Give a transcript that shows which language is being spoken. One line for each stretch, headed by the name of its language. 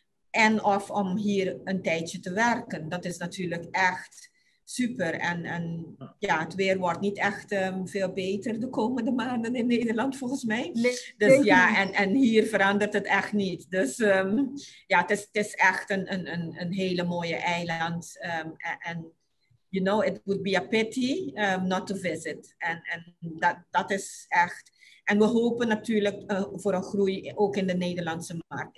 Dutch: En of om hier een tijdje te werken. Dat is natuurlijk echt super. En het weer wordt niet echt veel beter de komende maanden in Nederland, volgens mij. Nee, dus ja, en hier verandert het echt niet. Dus het is echt een hele mooie eiland.
English: En it would be a pity not to visit.
Dutch: En dat is echt. En we hopen natuurlijk voor een groei ook in de Nederlandse markt.